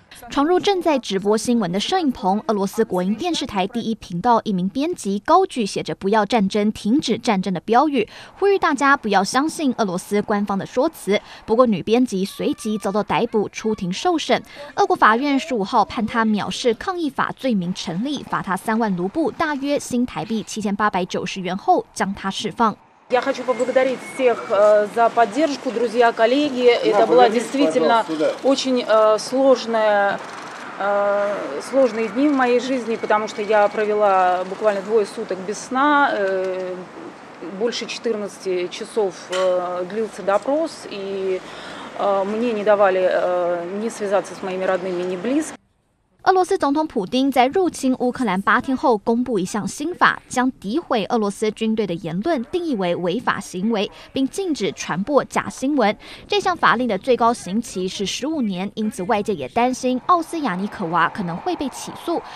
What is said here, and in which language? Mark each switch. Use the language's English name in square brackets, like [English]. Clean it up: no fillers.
[Chinese] 闯入正在直播新闻的摄影棚，俄罗斯国营电视台第一频道一名编辑高举写着不要战争、停止战争的标语，呼吁大家不要相信俄罗斯官方的说辞。不过女编辑随即遭到逮捕，出庭受审。俄国法院15号判他藐视抗议法罪名成立，罚他3万卢布，大约新台币7890元后将他释放。 [Russian] Я хочу поблагодарить всех за поддержку, друзья, коллеги. Это было действительно очень сложные дни в моей жизни, потому что я провела буквально 2 суток без сна. Больше 14 часов длился допрос, и мне не давали ни связаться с моими родными, ни близкими. [Chinese] 俄罗斯总统普丁在入侵乌克兰八天后公布一项新法，将诋毁俄罗斯军队的言论定义为违法行为，并禁止传播假新闻。这项法令的最高刑期是15年，因此外界也担心奥斯亚尼可娃可能会被起诉。